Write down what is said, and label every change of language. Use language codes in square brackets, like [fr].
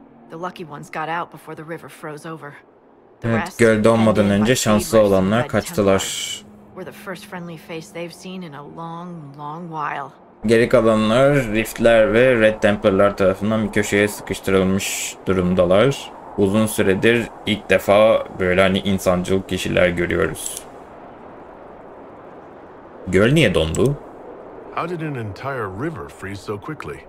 [en] The lucky ones got out before the river froze over. [tr] Evet, göl donmadan önce şanslı olanlar kaçtılar. [en] We're the first friendly face they've seen in a long, long while. [tr] Geri kalanlar Riftler ve Red Templar'lar tarafından bir köşeye sıkıştırılmış durumdalar. Uzun süredir ilk defa böyle hani insancıl kişiler görüyoruz. Göl niye dondu? [en] How did an entire river freeze so quickly?